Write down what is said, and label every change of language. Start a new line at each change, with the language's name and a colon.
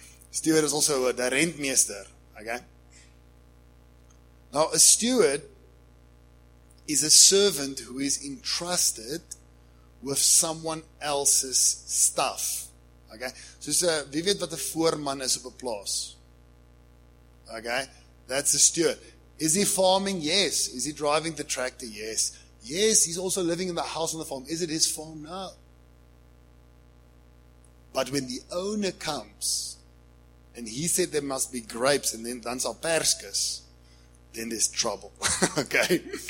English: Steward is also a word, the rentmeester, okay? Now, a steward is a servant who is entrusted with someone else's stuff, okay?
Afrikaans: So, wie weet wat 'n voorman is op 'n plaas?
English: Okay? That's a steward. Is he farming? Yes. Is he driving the tractor? Yes. Yes, he's also living in the house on the farm. Is it his farm? No. But when the owner comes and he said there must be grapes and then
Afrikaans: dan sal perskes,
English: then there's trouble. Okay?